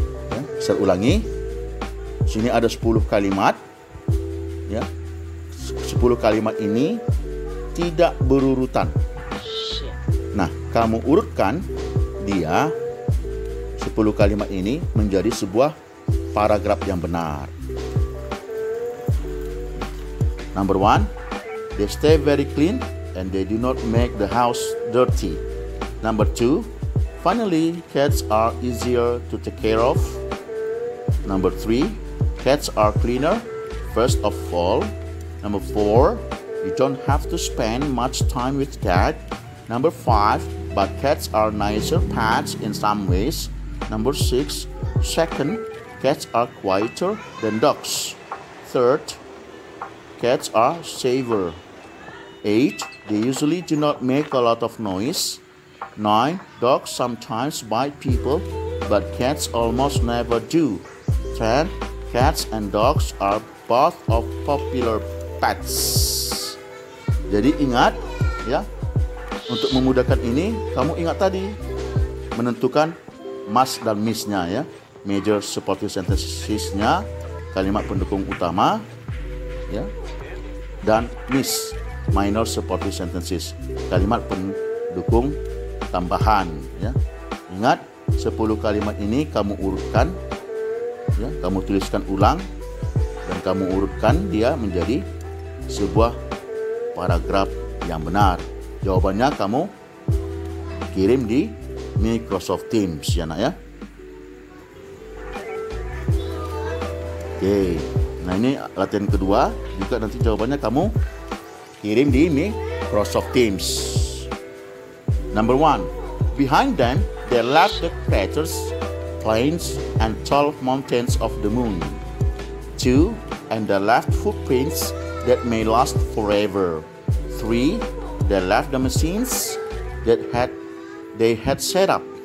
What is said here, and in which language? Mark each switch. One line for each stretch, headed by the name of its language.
Indonesian: Ya. Saya ulangi. Di sini ada 10 kalimat. Ya. 10 kalimat ini tidak berurutan. Nah, kamu urutkan dia 10 kalimat ini menjadi sebuah paragraf yang benar.
English: Number one, they stay very clean and they do not make the house dirty. Number two, finally, cats are easier to take care of. Number three, cats are cleaner, first of all. Number four, you don't have to spend much time with cat. Number five, but cats are nicer pets in some ways. Number six, second, cats are quieter than dogs. Third, cats are safer. 8. They usually do not make a lot of noise. 9. Dogs sometimes bite people, but cats almost never do. 10. Cats and dogs are both of popular pets.
Indonesian: Jadi ingat, ya, untuk memudahkan ini, kamu ingat tadi, menentukan must dan miss-nya ya. Major supportive sentences-nya, kalimat pendukung utama ya. Dan miss, minor supportive sentences, kalimat pendukung tambahan ya. Ingat 10 kalimat ini kamu urutkan ya, kamu tuliskan ulang dan kamu urutkan dia menjadi sebuah paragraf yang benar. Jawabannya kamu kirim di Microsoft Teams ya nak ya. Oke, nah ini latihan kedua juga, nanti jawabannya kamu kirim di Microsoft Teams.
English: Number one, behind them there lie the craters, plains and tall mountains of the moon. Two, and they left footprints that may last forever. Three, they left the machines that had they had set up.